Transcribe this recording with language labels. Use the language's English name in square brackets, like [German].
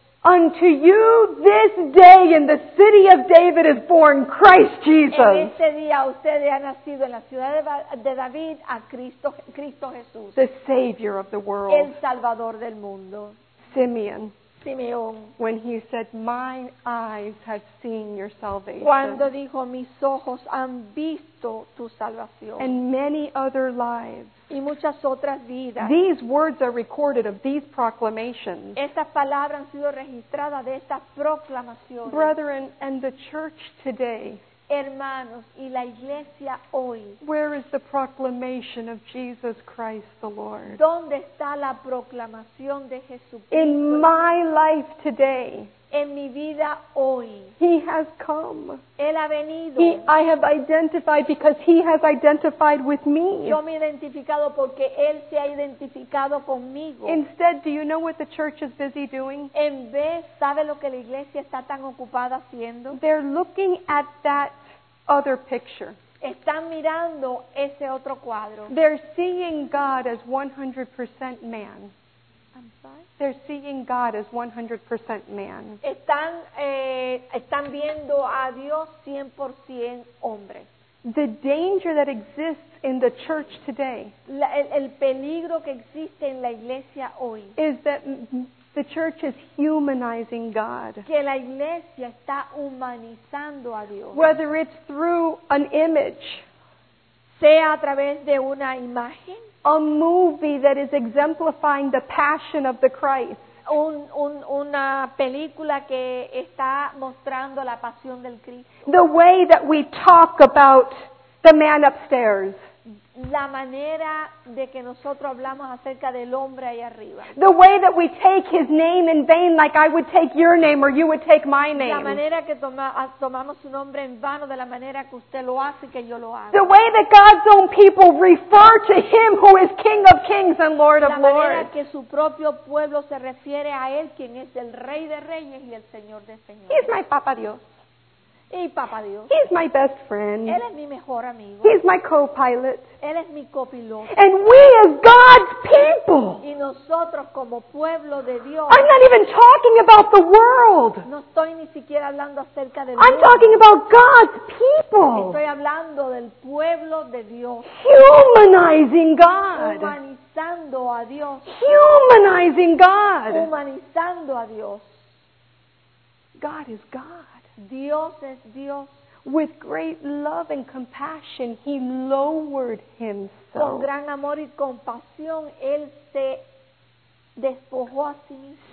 [English] Unto you this day in the city of David is born Christ Jesus. [Spanish] En este día ustedes han nacido en la ciudad de David a Cristo, Cristo Jesús. [English] The Savior of the world. [Spanish] El Salvador del mundo. [English] Simeon. [Spanish] Simeón. [English] When he said, "My eyes have seen your salvation." [Spanish] Cuando dijo, "Mis ojos han visto tu salvación." [English] And many other lives. [Spanish] Y muchas otras vidas. [English] These words are recorded of these proclamations. [Spanish] Estas palabras han sido registradas de estas proclamaciones. [English] Brethren and the church today. [Spanish] Hermanos y la iglesia hoy. [English] Where is the proclamation of Jesus Christ the Lord? [Spanish] ¿Dónde está la proclamación de Jesucristo? [English] In my life today. [Spanish] En mi vida hoy. [English] He has come. [Spanish] Él ha venido. [English] I have identified because he has identified with me. [Spanish] Yo me he identificado porque él se ha identificado conmigo. [English] Instead, do you know what the church is busy doing? [Spanish] En vez, ¿sabe lo que la iglesia está tan ocupada haciendo? [English] They're looking at that other picture. [Spanish] Están mirando ese otro cuadro. [English] They're seeing God as 100% man. They're seeing God as 100% man. [Spanish] Están viendo a Dios 100% hombre. [English] The danger that exists in the church today. [Spanish] El peligro que existe en la iglesia hoy. [English] Is that the church is humanizing God. [Spanish] Que la iglesia está humanizando a Dios. [English] Whether it's through an image. [Spanish] Sea a través de una imagen. [English] A movie that is exemplifying the passion of the Christ. [Spanish] Una película que está mostrando la pasión del Cristo. [English] The way that we talk about the man upstairs. [Spanish] La manera de que nosotros hablamos acerca del hombre ahí arriba. [English] The way that we take his name in vain, like I would take your name or you would take my name. [Spanish] La manera que tomamos su nombre en vano, de la manera que usted lo hace y que yo lo hago. [English] The way that God's own people refer to him who is King of Kings and Lord of Lords. [Spanish] La manera que su propio pueblo se refiere a él, quien es el Rey de Reyes y el Señor de Señores. [English] He's my Papa Dios. [Spanish] Y Papa Dios. [English] He's my best friend. [Spanish] Él es mi mejor amigo. [English] He's my co-pilot. [Spanish] Él es mi copiloto. [English] And we as God's people. [Spanish] Y nosotros como pueblo de Dios. [English] I'm not even talking about the world. [Spanish] No estoy ni siquiera hablando acerca del [English] mundo. I'm talking about God's people. [Spanish] Estoy hablando del pueblo de Dios. [English] Humanizing God. [Spanish] Humanizando a Dios. [English] Humanizing God. [Spanish] Humanizando a Dios. [English] God is God. [Spanish] Dios es Dios. [English] With great love and compassion, he lowered himself. [Spanish] Con gran amor y compasión, él se despojó a sí mismo.